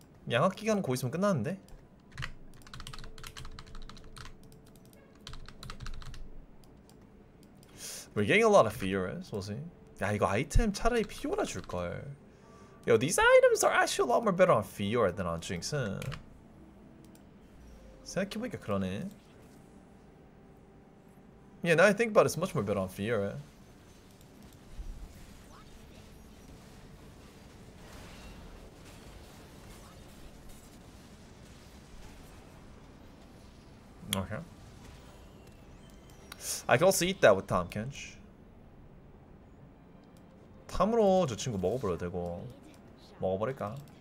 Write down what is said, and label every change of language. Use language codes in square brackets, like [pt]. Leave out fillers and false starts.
[ko] 양학기간 거의 있으면 끝나는데? 뭐 [en] getting a lot of Fioras, we'll see. [ko] 야 이거 아이템 차라리 피오라 줄걸. [en] Yo, these items are actually a lot more better on Fiora than on Jinx, huh? [ko] 생각해보니까 그러네. [en] Yeah, now I think about it, it's much more better on Fiora. Okay. I can also eat that with Tom Kench. [ko] Tom으로 저 친구 먹어버려도 되고 먹어버릴까?